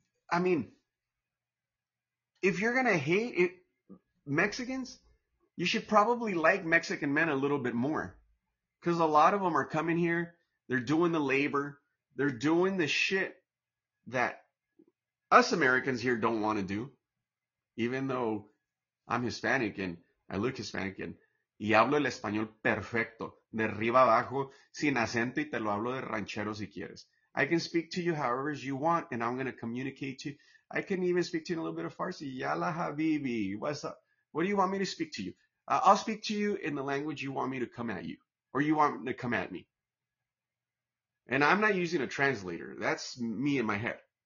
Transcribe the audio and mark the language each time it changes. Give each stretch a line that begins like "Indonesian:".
English: I mean, if you're gonna hate it, Mexicans, you should probably like Mexican men a little bit more. Because a lot of them are coming here, they're doing the labor, they're doing the shit that us Americans here don't wanna do. Even though I'm Hispanic and
Spanish: I look Hispanic and y hablo el español perfecto, de arriba abajo, sin acento y te lo hablo de ranchero si quieres.
English: I can speak to you however you want, and I'm gonna communicate to you. I can even speak to you in a little bit of Farsi. Yalla Habibi, what's up? What do you want me to speak to you? I'll speak to you in the language you want me to come at you, or you want to come at me. And I'm not using a translator. That's me in my head.